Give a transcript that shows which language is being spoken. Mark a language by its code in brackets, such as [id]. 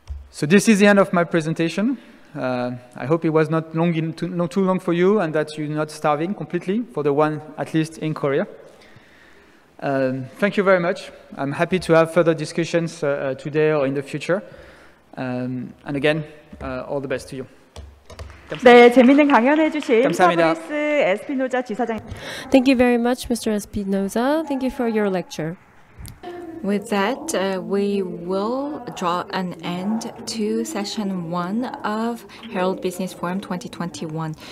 [en] So this is the end of my presentation. I hope it was not too long for you, and that you're not starving completely for the one at least in Korea. Thank you very much. I'm happy to have further discussions today or in the future. And again, all the best to you. [ko] 네, 재밌는 강연 해주신 터브리스 에스피노자 지사장. [en] Thank you very much, Mr. Espinoza. Thank you for your lecture. With that, we will draw an end to session one of Herald Business Forum 2021.